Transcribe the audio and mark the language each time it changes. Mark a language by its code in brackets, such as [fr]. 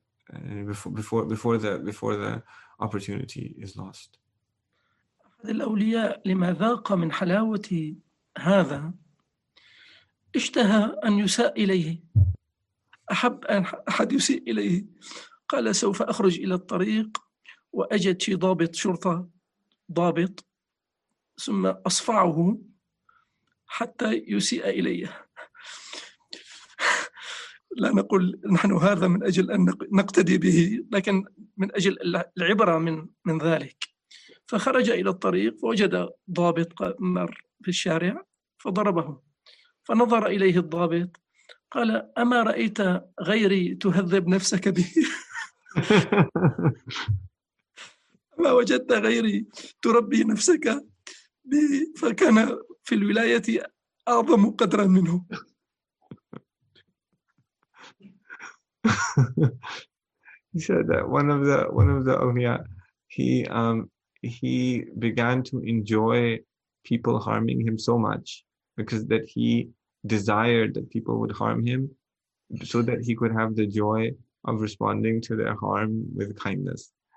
[en] And that's before the opportunity is lost. [ar] أحد الأولياء لما ذاق من حلاوة هذا اشتهى أن يساء إليه، أحب أن أحد يسيء إليه. قال سوف أخرج إلى الطريق وأجد شي ضابط شرطة ضابط، ثم أصفعه حتى يسيء إليه. لا نقول نحن هذا من أجل أن نقتدي به، لكن من أجل العبرة من ذلك. فخرج إلى الطريق ووجد ضابط مر في الشارع فضربه، فنظر إليه الضابط قال أما رأيت غيري تهذب نفسك به؟ ما وجدت غيري تربي نفسك به؟ فكان في الولاية أعظم قدرا منه. [en] He said that one of the awliya, he began to enjoy people harming him so much because that he desired that people would harm him so that he could have the joy of responding to their harm with kindness.